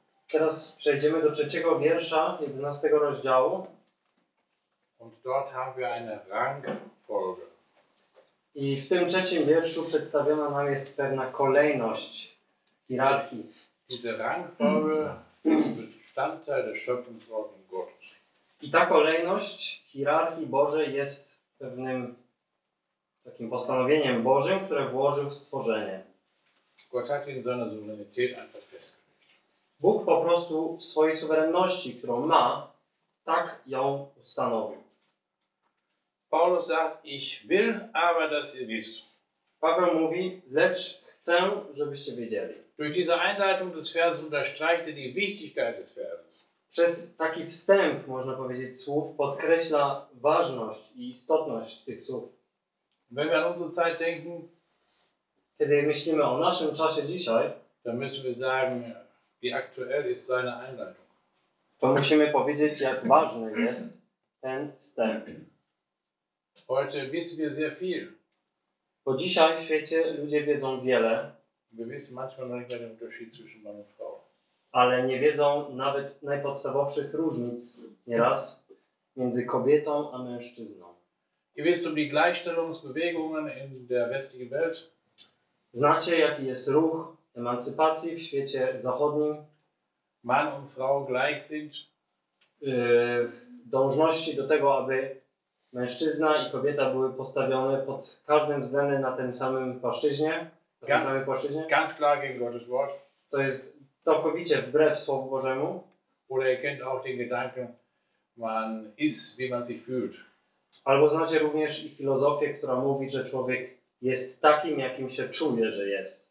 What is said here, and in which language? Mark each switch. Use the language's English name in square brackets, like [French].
[Polish] Teraz przejdziemy do trzeciego wiersza 11 rozdziału. [German] Und dort haben wir eine Rangfolge. [Polish] I w tym trzecim wierszu przedstawiona nam jest pewna kolejność hierarchii. [German] Diese Rangfolge ist Bestandteil der Schöpfungsordnung Gottes. [Polish] I ta kolejność hierarchii Bożej jest pewnym takim postanowieniem Bożym, które włożył w stworzenie. [German] Gott hat in seiner Souveränität einfach festgelegt. [Polish] Bóg po prostu w swojej suwerenności, którą ma, tak ją ustanowił. [German] Paulus sagt, ich will aber, dass ihr wisst. [Polish] Paweł mówi, lecz chcę, żebyście wiedzieli. [German] Durch diese Einleitung des Verses unterstreicht er die Wichtigkeit des Verses. [Polish] Przez taki wstęp, można powiedzieć, słów podkreśla ważność i istotność tych słów. [German] Wenn wir an unsere Zeit denken, [Polish] kiedy myślimy o naszym czasie dzisiaj, [German] dann müssen wir sagen, wie aktuell ist seine Einleitung. [Polish] To musimy powiedzieć, jak ważny jest ten wstęp. [German] Heute wissen wir sehr viel. [Polish] Bo dzisiaj w świecie ludzie wiedzą wiele. [German] Wir wissen manchmal nicht mehr den Unterschied zwischen Mann und Frau. [Polish] Ale nie wiedzą nawet najpodstawowszych różnic nieraz między kobietą a mężczyzną. [German] Ihr wisst um die Gleichstellungsbewegungen in der westlichen Welt. [Polish] Znacie, jaki jest ruch emancypacji w świecie zachodnim. [German] Mann und Frau gleich sind. [Polish] Dążności do tego, aby mężczyzna i kobieta były postawione pod każdym względem na tym samym płaszczyźnie. [German] Ganz klar gegen Gottes Wort. [Polish] Co jest całkowicie wbrew Słowu Bożemu. [German] Oder ihr kennt auch den Gedanken, man ist, wie man sich fühlt. [Polish] Albo znacie również i filozofię, która mówi, że człowiek jest takim, jakim się czuje, że jest.